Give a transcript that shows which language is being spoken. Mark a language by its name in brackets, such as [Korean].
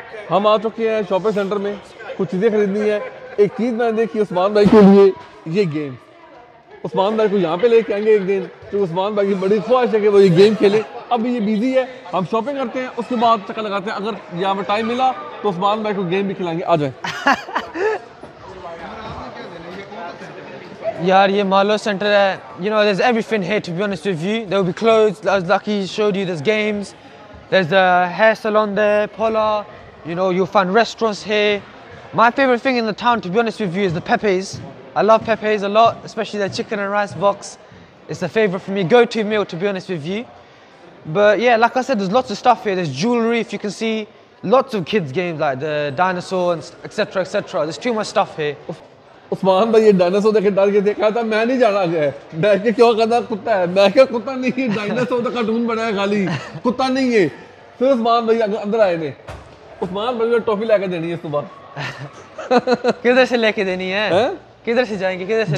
[Hindi] हम आ चुके हैं शॉपिंग सेंटर में, कुछ चीज़ें खरीदनी है। एक चीज़ मैंने देखी उस्मान भाई के लिए, ये गेम। उस्मान भाई को यहाँ पे लेके आएंगे एक दिन, क्योंकि उस्मान भाई की बड़ी ख्वाहिश है कि वो ये गेम खेले। अब ये बिजी है, हम शॉपिंग करते हैं उसके बाद चक्कर लगाते हैं, अगर यहाँ पर टाइम मिला तो उस्मान भाई को गेम भी खिलाएंगे, आ जाए। [English] Yeah, yeah, Marlo Center. You know, there's everything here, to be honest with you. There will be clothes, as Lucky showed you, there's games. There's a hair salon there, Paula. You know, you'll find restaurants here. My favorite thing in the town, to be honest with you, is the Pepe's. I love Pepe's a lot, especially their chicken and rice box. It's a favorite for me, go-to meal, to be honest with you. But yeah, like I said, there's lots of stuff here. There's jewelry, if you can see. Lots of kids games, like the dinosaur, and et cetera, et cetera. There's too much stuff here. [Hindi] Usman भाई ये dinosaur देख के डर गए थे, कहा था मैं नहीं जाना गया, मैं क्या क्यों कहता कुत्ता है, मैं क्या कुत्ता नहीं, डायनासोर का कार्टून बनाया खाली, कुत्ता नहीं है। फिर उस्मान भाई अंदर आए ने, उस्मान भाई को टॉफी लेके देनी है सुबह। किधर से लेके देनी है, किधर से जाएंगे, किधर से,